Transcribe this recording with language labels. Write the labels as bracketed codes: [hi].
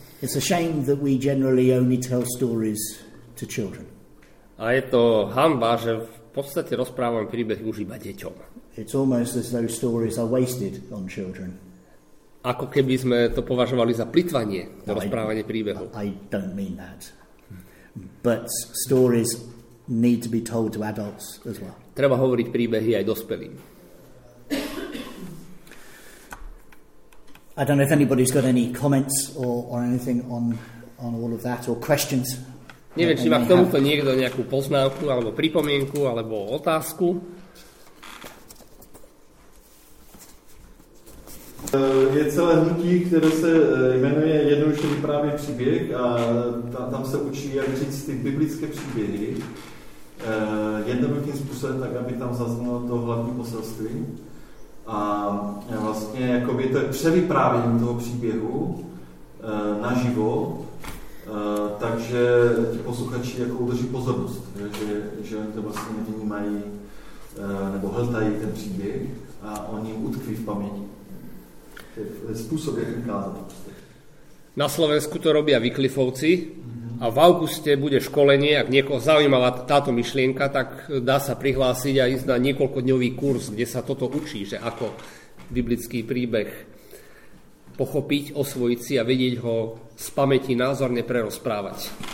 [en] It's a shame that we generally only tell stories to children. [sk] A je to hanba, že v podstate rozprávame príbeh už iba deťom. [en] It's almost as though stories are wasted on children. [sk] Ako keby sme to považovali za plytvanie, to rozprávanie príbehov. [en] I don't mean that. But stories need to be told to adults as well. [sk] Treba hovoriť príbehy aj dospelým. [en] I don't know if anybody's got any comments or anything on all of that or questions. [sk] Neviem, či má k tomuto niekto nejakú poznámku alebo pripomienku alebo otázku. [cs] Je celé hnutí, ktoré se jmenuje jednoduše vyprávě příběh a tam se učí, jak říct ty biblické příběhy jednoduchým způsobem, tak aby tam zaznalo to hlavní poselství. A vlastně jakoby to je převyprávění toho příběhu naživo, takže ti posluchači jako udrží pozornost, že oni to vlastně vnímají nebo hltají ten příběh a oni utkví v paměti. [sk] Spôsob, jak ukázať. Na Slovensku to robia Wycliffeovci a v auguste bude školenie, ak niekoho zaujímavá táto myšlienka, tak dá sa prihlásiť a ísť na niekoľkodňový kurz, kde sa toto učí, že ako biblický príbeh pochopiť, osvojiť si a vedieť ho z pamäti názorne prerozprávať.